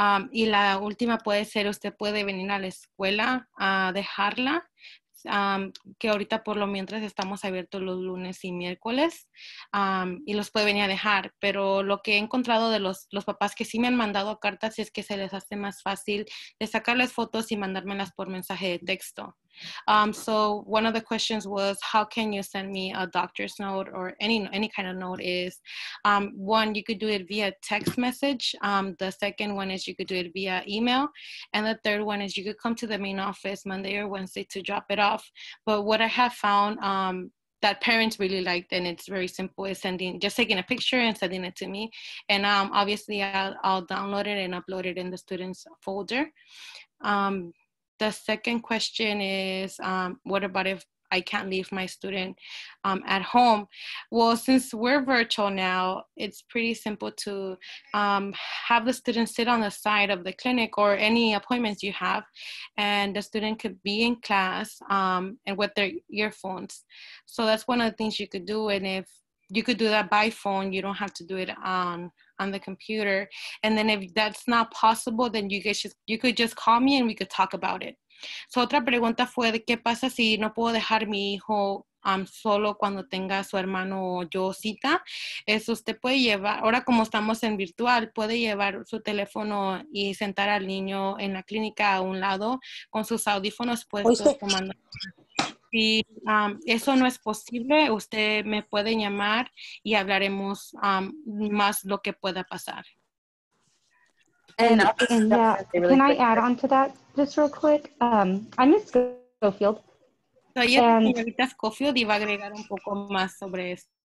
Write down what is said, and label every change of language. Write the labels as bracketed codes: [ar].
[es] Y la última puede ser, usted puede venir a la escuela a dejarla. Que ahorita por lo mientras estamos abiertos los lunes y miércoles. Y los puede venir a dejar. Pero lo que he encontrado de los papás que sí me han mandado cartas es que se les hace más fácil de sacarles fotos y mandármelas por mensaje de texto. [en] So one of the questions was, how can you send me a doctor's note or any kind of note is, one, you could do it via text message. The second one is you could do it via email. And the third one is you could come to the main office Monday or Wednesday to drop it off. But what I have found that parents really liked, and it's very simple, is sending, just taking a picture and sending it to me. And obviously I'll download it and upload it in the student's folder. The second question is, what about if I can't leave my student at home? Well, since we're virtual now, it's pretty simple to have the student sit on the side of the clinic or any appointments you have, and the student could be in class and with their earphones. So that's one of the things you could do. And if you could do that by phone, you don't have to do it on the computer. And then if that's not possible, then you could just call me and we could talk about it. [es] So otra pregunta fue, ¿qué pasa si no puedo dejar mi hijo solo cuando tenga su hermano o yo cita? Eso usted puede llevar, ahora como estamos en virtual, puede llevar su teléfono y sentar al niño en la clínica a un lado con sus audífonos puestos tomando. Si eso no es posible, usted me puede llamar y hablaremos más lo que pueda pasar. [en] And yeah, can I add on to that just real quick? I'm Ms. Schofield. [es] Soy la señorita Schofield y va a agregar un poco más sobre esto.